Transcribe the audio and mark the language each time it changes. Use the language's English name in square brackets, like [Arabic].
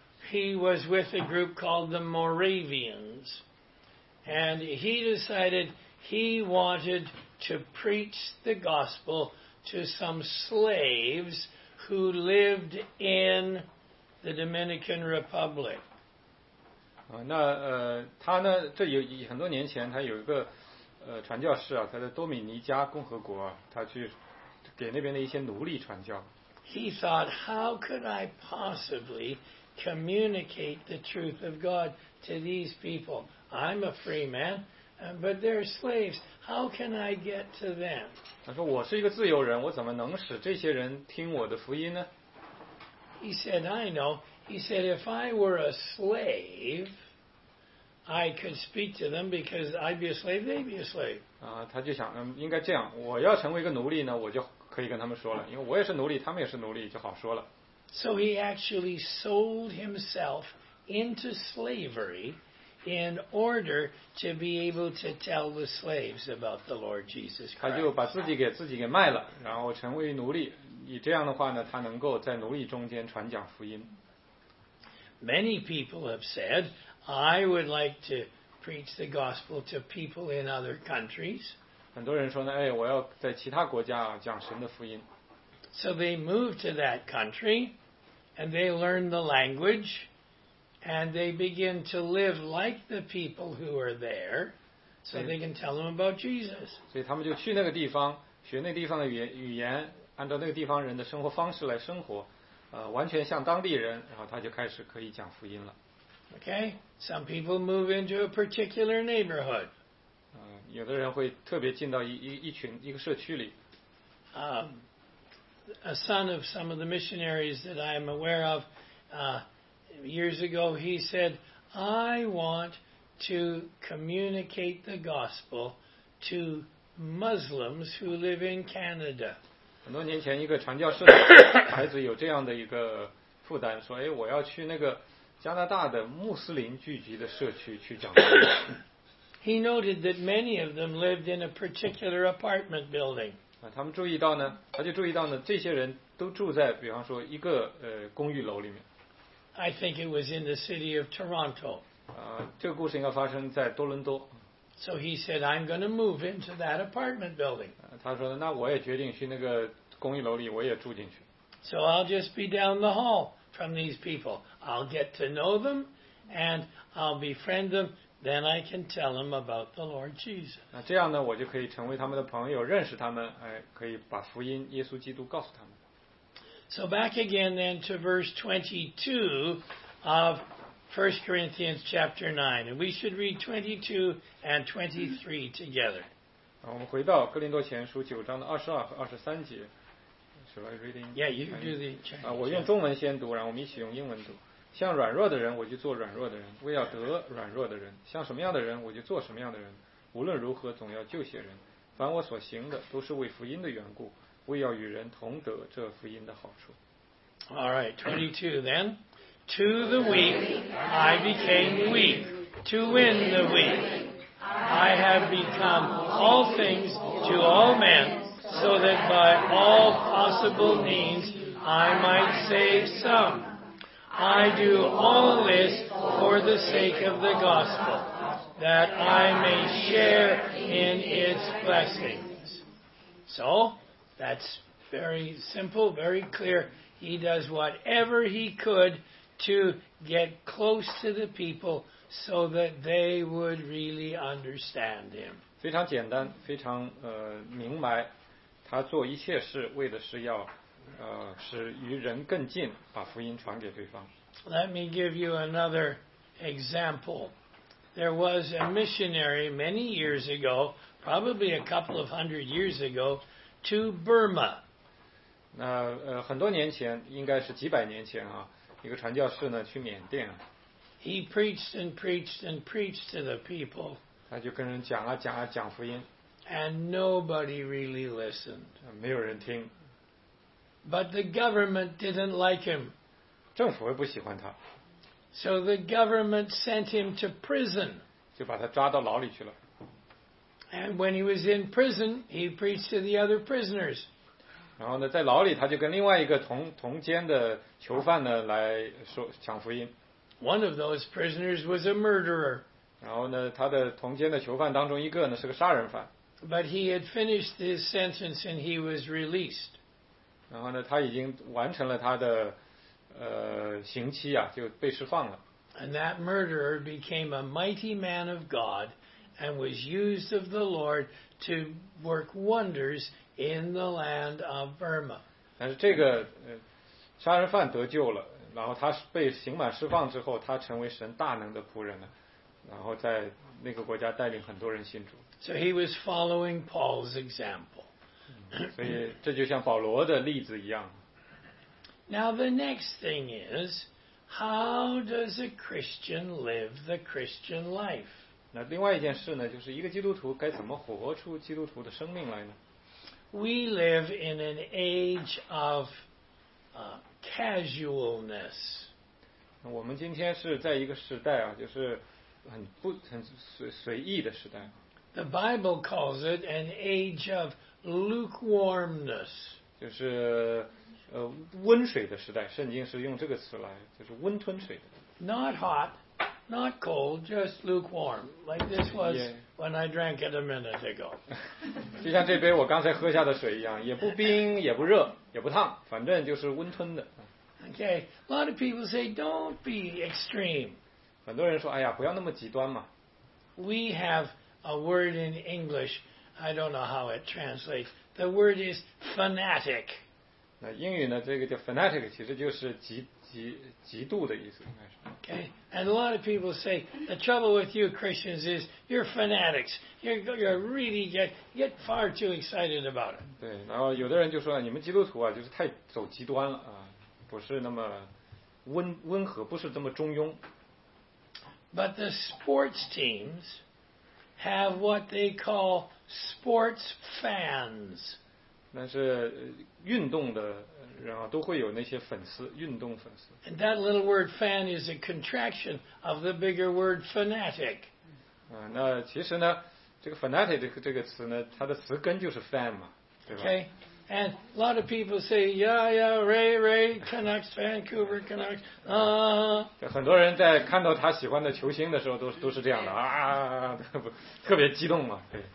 [English] He was with a group called the Moravians. And he decided he wanted to preach the gospel to some slaves who lived in the Dominican Republic. [Chinese] 那他呢，这有很多年前，他有一个传教士啊，他在多米尼加共和国，他去给那边的一些奴隶传教。 [English] He thought, how could I possibly communicate the truth of God to these people? I'm a free man, but they're slaves. How can I get to them? [Chinese] 他说我是一个自由人，我怎么能使这些人听我的福音呢？ [English] He said, I know. He said, if I were a slave, I could speak to them because I'd be a slave, they'd be a slave. [Chinese] 他就想，应该这样，我要成为一个奴隶呢，我就可以跟他们说了，因为我也是奴隶，他们也是奴隶，就好说了。 [English] So he actually sold himself into slavery in order to be able to tell the slaves about the Lord Jesus Christ. [Chinese] 他就把自己给卖了，然后成为奴隶。以这样的话呢，他能够在奴隶中间传讲福音。 [English] Many people have said, I would like to preach the gospel to people in other countries. [Chinese] 很多人说呢，哎，我要在其他国家讲神的福音。 [English] So they moved to that country, and they learned the language, and they begin to live like the people who are there, so they can tell them about Jesus. [Chinese] 所以他们就去那个地方，学那地方的语言，按照那个地方人的生活方式来生活，完全像当地人，然后他就开始可以讲福音了。 [English] Okay, some people move into a particular neighborhood. [Chinese] 有的人会特别进到一个社区里。 [English] A son of some of the missionaries that I am aware of, years ago, he said, I want to communicate the gospel to Muslims who live in Canada. [Chinese] 很多年前，一个传教士孩子有这样的一个负担，说，哎，我要去那个加拿大的穆斯林聚集的社区去讲。 [English] He noted that many of them lived in a particular apartment building. [Chinese] 他们注意到呢，他就注意到呢，这些人都住在，比方说一个公寓楼里面。 [English] I think it was in the city of Toronto. [Chinese] 这个故事应该发生在多伦多。 [English] So he said, I'm going to move into that apartment building. [Chinese] 他说呢，那我也决定去那个公寓楼里，我也住进去。 [English] So I'll just be down the hall from these people. I'll get to know them, and I'll befriend them. Then I can tell them about the Lord Jesus. [Chinese] 那这样呢，我就可以成为他们的朋友，认识他们，哎，可以把福音耶稣基督告诉他们。 [English] So back again then to verse 22 of 1 Corinthians chapter 9. And we should read 22 and 23 together. [Chinese] 我们回到哥林多前书九章的22和23节。 [English] Shall I read in? Yeah, you can do the Chinese. [Chinese] 我用中文先读，然后我们一起用英文读。像软弱的人，我就做软弱的人，为要得软弱的人。像什么样的人，我就做什么样的人。无论如何，总要救些人。凡我所行的，都是为福音的缘故，为要与人同得这福音的好处。 [English] All right, 22 then. To the weak, I became weak, to win the weak. I have become all things to all men, so that by all possible means I might save some. I do all this for the sake of the gospel, that I may share in its blessings. So, that's very simple, very clear. He does whatever he could to get close to the people so that they would really understand him. [Chinese] 非常简单，非常明白。他做一切事为的是要使与人更近，把福音传给对方。 [English] Let me give you another example. There was a missionary many years ago, probably a couple of hundred years ago, to Burma. [Chinese] 那很多年前，应该是几百年前啊，一个传教士呢去缅甸。 [English] He preached and preached and preached to the people. [Chinese] 他就跟人讲啊讲啊讲福音。 [English] And nobody really listened. [Chinese] 没有人听。 [English] But the government didn't like him. [Chinese] 政府也不喜欢他。 [English] So the government sent him to prison. [Chinese] 就把他抓到牢里去了。 [English] And when he was in prison, he preached to the other prisoners. [Chinese] 然后呢，在牢里他就跟另外一个同监的囚犯呢来说讲福音。 [English] One of those prisoners was a murderer. [Chinese] 然后呢，他的同监的囚犯当中一个呢是个杀人犯。 [English] But he had finished his sentence and he was released. [Chinese] 然后呢，他已经完成了他的刑期啊，就被释放了。 [English] And that murderer became a mighty man of God and was used of the Lord to work wonders in the land of Burma. [Chinese] 但是这个杀人犯得救了，然后他被刑满释放之后，他成为神大能的仆人了，然后在那个国家带领很多人信主。 [English] So he was following Paul's example. [Chinese] 所以这就像保罗的例子一样。 [English] Now the next thing is, how does a Christian live the Christian life? [Chinese] 那另外一件事呢，就是一个基督徒该怎么活出基督徒的生命来呢？ [English] We live in an age of casualness. [Chinese] 我们今天是在一个时代啊，就是很随意的时代。 [English] The Bible calls it an age of lukewarmness. [Chinese] 就是温水的时代，圣经是用这个词来，就是温吞水的。 [English] Not hot, not cold, just lukewarm. Like this was when I drank it a minute ago. [Chinese] 就像这杯我刚才喝下的水一样，也不冰，也不热，也不烫，反正就是温吞的。 [English] Okay, a lot of people say don't be extreme. [Chinese] 很多人说，哎呀，不要那么极端嘛。 [English] We have a word in English, I don't know how it translates. The word is fanatic. [Chinese] 那英语呢？这个叫 fanatic， 其实就是极度的意思，应该是。 [English] Okay, and a lot of people say the trouble with you Christians is you're fanatics. You're really get far too excited about it. [Chinese] 对，然后有的人就说你们基督徒啊，就是太走极端了啊，不是那么温和，不是这么中庸。 [English] But the sports teams have what they call sports fans. [Chinese] 但是运动的人啊，都会有那些粉丝，运动粉丝。 [English] And that little word fan is a contraction of the bigger word fanatic. [Chinese] 那其实呢，这个 fanatic 这个词呢，它的词根就是 fan 嘛，对吧 [English] ？Okay. And a lot of people say, "Yeah, yeah, Ray, Canucks, Vancouver Canucks." [Chinese] 很多人在看到他喜欢的球星的时候都是这样的啊，特别激动嘛，对。